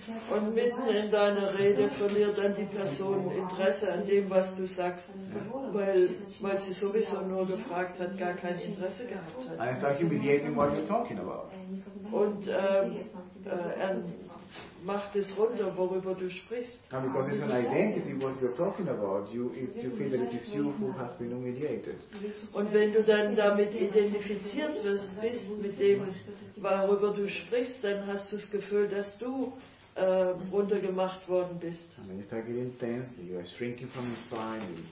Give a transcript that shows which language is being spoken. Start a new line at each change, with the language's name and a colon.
German: Und mitten in deiner Rede verliert dann die Person Interesse an dem, was du sagst, weil sie sowieso nur gefragt hat, gar kein Interesse gehabt hat.
English: And it's humiliating what you're talking about.
German: Und er macht es runter, worüber du sprichst.
English: And because it's an identity, what you're talking about, you feel that it is you who has been humiliated.
German: Und wenn du dann damit identifiziert wirst, bist mit dem, worüber du sprichst, dann hast du das Gefühl, dass du runtergemacht worden bist.
English: And then you start getting tense, you are shrinking from inside.